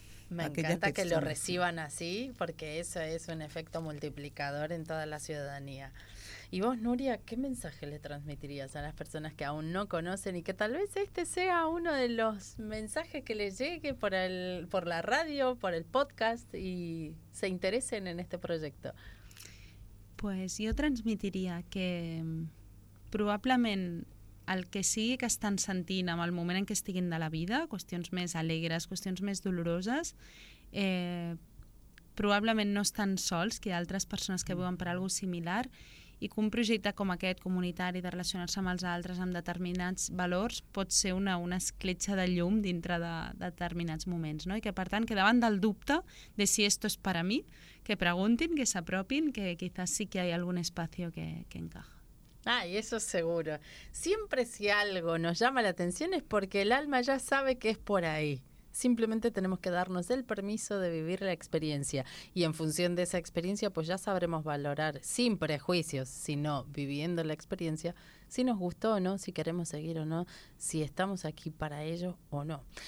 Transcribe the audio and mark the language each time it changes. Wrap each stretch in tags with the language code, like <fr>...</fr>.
<es>Me aquellas encanta que lo reciban así, porque eso es un efecto multiplicador en toda la ciudadanía. Y vos, Nuria, ¿qué mensaje le transmitirías a las personas que aún no conocen y que tal vez este sea uno de los mensajes que les llegue por la radio, por el podcast y se interesen en este proyecto? Pues yo transmitiría que probablemente</es> <ca>el que sigui que estan sentint en el moment en què estiguin de la vida, qüestions més alegres, qüestions més doloroses, probablement no estan sols, que hi ha altres persones que viuen per alguna cosa similar, i que un projecte com aquest, comunitari, de relacionar-se amb els altres, amb determinats valors, pot ser una escletxa de llum dintre de determinats moments, no? I que, per tant, que davant del dubte de si</ca> <es>esto es para mí,</es> <ca>que preguntin, que s'apropin, que quizás sí que hi ha algun espai que encaja.</ca> <es>Ah, y eso seguro. Siempre si algo nos llama la atención es porque el alma ya sabe que es por ahí. Simplemente tenemos que darnos el permiso de vivir la experiencia. Y en función de esa experiencia, pues ya sabremos valorar sin prejuicios, sino viviendo la experiencia, si nos gustó o no, si queremos seguir o no, si estamos aquí para ello o no.</es>